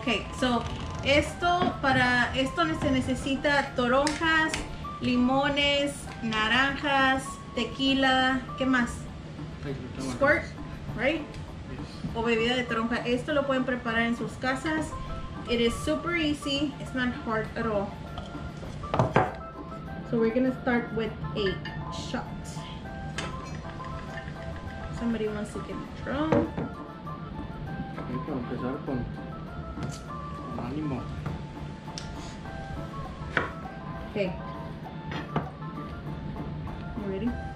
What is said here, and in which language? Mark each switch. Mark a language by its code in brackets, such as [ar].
[es] Okay, so para esto se necesita toronjas, limones, naranjas, tequila, ¿qué más? [en] Squirt, right? [es] O bebida de toronja. Esto lo pueden preparar en sus casas. [en] It is super easy. It's not hard at all. So we're gonna start with a shot. Somebody wants to get drunk. [es] Hay que empezar con ánimo. [en] Okay. You ready?